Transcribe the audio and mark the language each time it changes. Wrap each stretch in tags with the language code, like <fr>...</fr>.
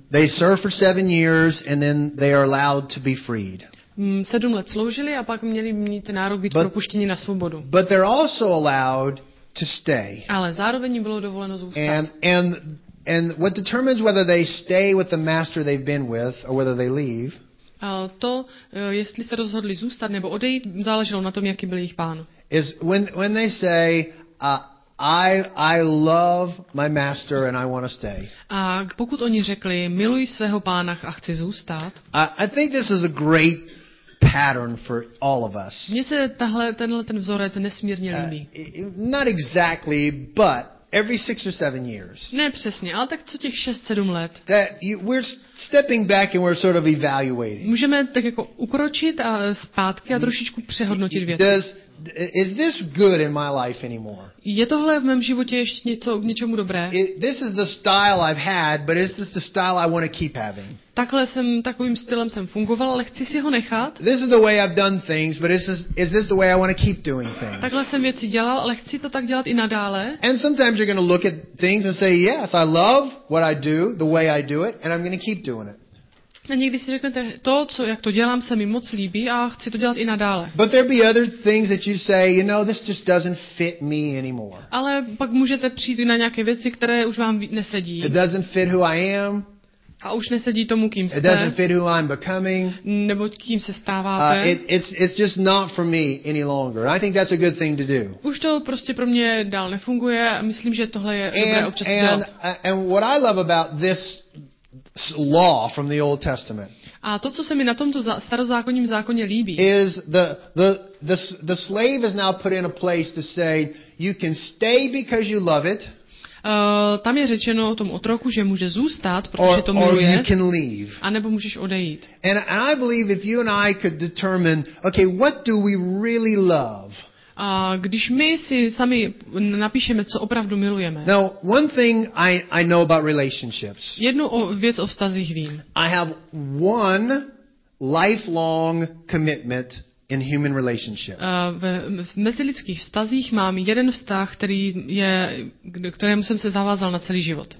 <en>They served for 7 years and then they are allowed to be freed.</en> <cs>7 let sloužili a pak měli mít nárok být propuštěni na svobodu.</cs> <en>But they're also allowed to stay.</en> <cs>Ale zároveň bylo dovoleno zůstat.</cs> <en>And what determines whether they stay with the master they've been with or whether they leave?</en> <cs>To, jestli se rozhodli zůstat nebo odejít, záleželo na tom, jaký byl jejich pán.</cs> <en>Is when they say I love my master and I want to stay.</en> <cs>A pokud oni řekli miluji svého pána a chci zůstat.</cs> <en>I think this is a great pattern for all of us.</en> <cs>Mně se tenhle vzorec nesmírně líbí.</cs> <en>Not exactly, but every 6 or 7 years.</en> <cs>Ne přesně, ale tak co těch 6-7 let.</cs> <en>That we're stepping back and we're sort of evaluating.</en> <cs>Můžeme tak jako ukročit a zpátky a trošičku přehodnotit věci.</cs> <en>Is this good in my life anymore?</en> <cs>Je tohle v mém životě ještě něco k něčemu dobré?</cs> <en>This is the style I've had, but is this the style I want to keep having?</en> <cs>Takhle jsem takovým stylem jsem fungoval, ale chci si ho nechat.</cs> <en>This is the way I've done things, but is this the way I want to keep doing things?</en> <cs>Takhle jsem věci dělal, ale chci to tak dělat i nadále.</cs> <en>And sometimes you're going to look at things and say, yes, I love what I do, the way I do it, and I'm going to keep doing it.</en> <cs>A někdy si řeknete, to, co jak to dělám, se mi moc líbí a chci to dělat i nadále.</cs> <en>But there be other things that you say, you know, this just doesn't fit me anymore.</en> <cs>Ale pak můžete přijít na nějaké věci, které už vám nesedí.</cs> <en>It doesn't fit who I am.</en> <cs>A už nesedí tomu, kým jste.</cs> <en>It doesn't fit who I'm becoming.</en> <cs>Nebo kým se stáváte.</cs> <en>It's just not for me any longer. I think that's a good thing to do.</en> <cs>Už to prostě pro mě dál nefunguje a myslím, že tohle je dobré občas dělat.</cs> <en>And what I love about this law from the Old Testament.</en> <cs>A to, co se mi na tomto starozákonním zákoně líbí.</cs> <en>Is the slave is now put in a place to say you can stay because you love it.</en> <cs>Tam je řečeno o tom otroku, že může zůstat, protože to miluje.</cs> <en>Or you can leave.</en> <cs>A nebo můžeš odejít.</cs> <en>And I believe if you and I could determine, okay, what do we really love?</en> <cs>A když my si sami napíšeme, co opravdu milujeme.</cs> <en>Now, one thing I know about relationships.</en> <cs>Jednu věc o vztazích vím.</cs> <en>I have one lifelong commitment in human relationships.</en> <cs>V mezilidských vztazích mám jeden vztah, který je, kterému jsem se zavázal na celý život.</cs>